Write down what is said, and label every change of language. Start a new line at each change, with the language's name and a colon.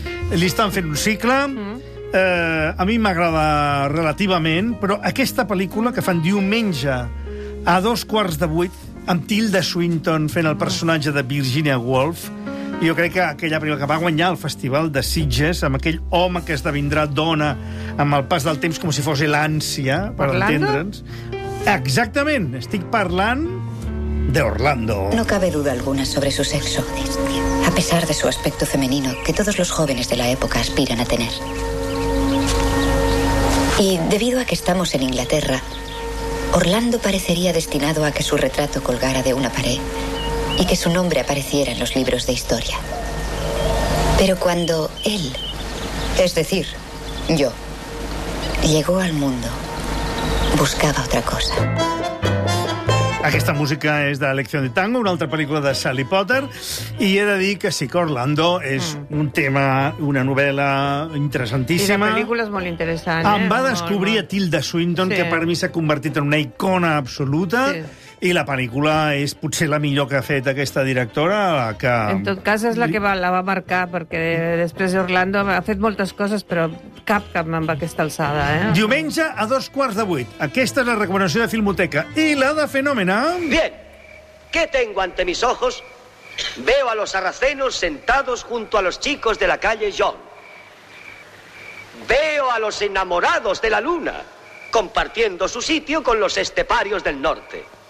Catalan: Li estan fent un cicle. A mi m'agrada relativament, però aquesta pel·lícula que fan diumenge a 8:15, amb Tilda Swinton fent el personatge de Virginia Woolf, jo crec que aquella pel·lícula que va guanyar el Festival de Sitges, amb aquell home que esdevindrà dona amb el pas del temps, com si fos l'ànsia, per entendre'ns. Exactament, estic parlant d'Orlando.
Spanish: No cabe duda alguna sobre su sexo, a pesar de su aspecto femenino, que todos los jóvenes de la época aspiran a tener. Y debido a que estamos en Inglaterra, Orlando parecería destinado a que su retrato colgara de una pared y que su nombre apareciera en los libros de historia. Pero cuando él, es decir, yo, llegó al mundo, buscaba otra cosa.
Catalan: Aquesta música és de Lección de Tango, una altra pel·lícula de Sally Potter, i he de dir que sí, que Orlando és un tema, una novel·la interessantíssima. I la pel·lícula és molt interessant. Em va descobrir a Tilda Swinton, sí, que per mi s'ha convertit en una icona absoluta, sí, i la pel·lícula és potser la millor que ha fet aquesta directora. Que... En tot cas, és la que la va marcar, perquè després Orlando ha fet moltes coses, però cap amb aquesta alçada. Diumenge a 8:15. Aquesta és la recomanació de Filmoteca. I la de Fenòmena...
Spanish: Bien, ¿qué tengo ante mis ojos? Veo a los sarracenos sentados junto a los chicos de la calle John. Veo a los enamorados de la luna compartiendo su sitio con los esteparios del norte.